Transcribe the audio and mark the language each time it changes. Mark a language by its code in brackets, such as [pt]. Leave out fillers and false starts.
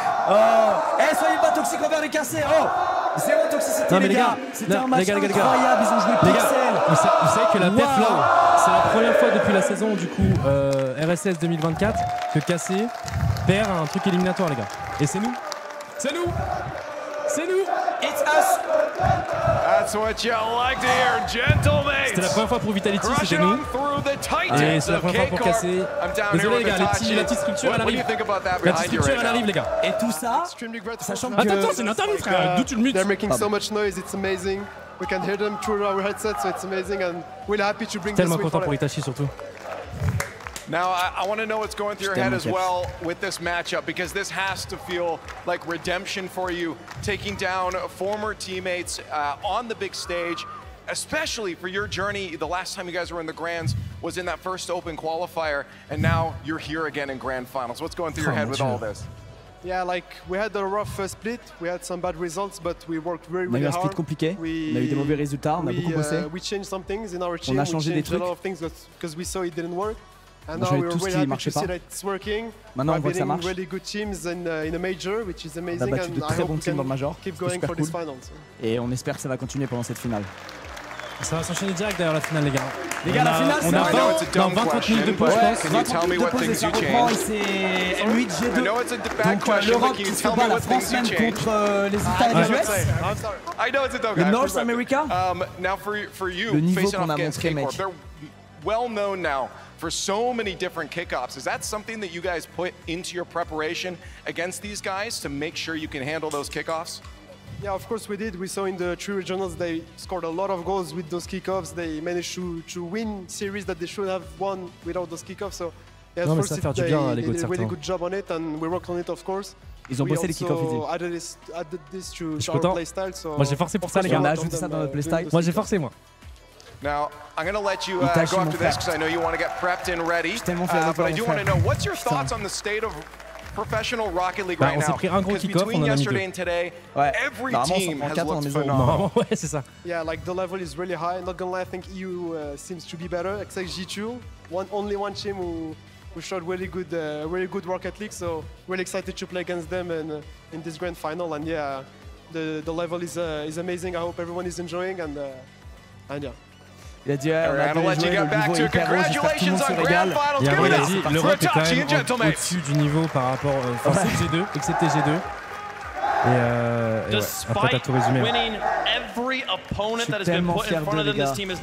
[fr] Oh, hey, soyez pas toxiques envers les cassés. Oh, zéro toxicité, non, mais les gars. C'était un match incroyable. Ils ont joué pixel. Vous savez que la perf là, c'est la première fois depuis la saison du coup RSS 2024 que Cassé perd un truc éliminatoire, les gars. Et c'est nous. C'est nous. C'est nous. [en] It's us. That's what you like to hear, gentlemen. [fr] C'était la première fois pour Vitality, c'était nous. Et c'est la première fois pour Cassé. Désolé les gars, la petite structure elle arrive. La petite structure elle arrive, les gars. Et tout ça, sachant que... Attends, c'est une interview, frère. D'où tu le mutes? [en] They're making so much noise, it's amazing. We can hear them through our headsets, so it's amazing. And we're happy to bring this week. [fr] Tellement content pour Itachi surtout. [en] Now I want to know what's going through your head as well with this matchup, because this has to feel like redemption for you, taking down former teammates on the big stage, especially for your journey. The last time you guys were in the Grands was in that first Open qualifier, and now you're here again in Grand Finals. What's going through your head with all this? Yeah, like we had a rough split, we had some bad results, but we worked very, really hard. [fr] On a eu un split compliqué, on a eu des mauvais résultats, on a beaucoup bossé. [en] We changed some things in our team. [fr] On a changé des trucs. [en] A lot of things because we saw it didn't work. And now we're [fr] tout ce qui marchait pas. Maintenant, on voit que ça marche. [en] Really good teams in a major, which is amazing. [fr] On a battu de très bons teams dans le major. Cool. Et on espère que ça va continuer pendant cette finale. Ça va s'enchaîner direct d'ailleurs, la finale, les gars. Les gars, on la finale, c'est on a 20-30 minutes de pause, je pense. 20-30 minutes de pause et ça reprend. Et c'est 8-G2. Donc l'Europe qui se bat la France même contre les États et les US. Le North America. Le niveau qu'on a montré, mec. [en] Well known now for so many different kickoffs. Is that something that you guys put into your preparation against these guys to make sure you can handle those kickoffs? Yeah, of course we did. We saw in the three regionals they scored a lot of goals with those kickoffs. They managed to win series that they should have won without those kickoffs. So yeah, non, of course they did a really good job on it and we worked on it of course. [fr] Ils ont bossé les kickoffs. Je suis content. Moi j'ai forcé pour ça les gars. On a ajouté ça dans notre playstyle. Moi j'ai forcé moi. [en] Now, I'm going to let you go after this because I know you want to get prepped and ready. But I do want to know, what's your thoughts on the state of professional Rocket League right now? [fr] On s'est pris un gros kick-off, on en a mis deux. [en] Today, ouais. Every team [fr] en [en] has looked phenomenal. [fr] Non, ouais, c'est ça. [en] Yeah, like the level is really high. Not going to lie, I think EU seems to be better, except G2. Only one team who showed really good Rocket League. So, really excited to play against them and in this grand final. And yeah, the level is amazing. I hope everyone is enjoying. And yeah. [fr] Il a dit, ouais, on a bien joué, le niveau est hyper gros, j'espère que tout le monde se régale. Il a dit, l'Europe est quand même au-dessus du niveau par rapport au G2, excepté G2. Et ouais, après t'as tout résumé. Je suis tellement fier d'eux, les gars.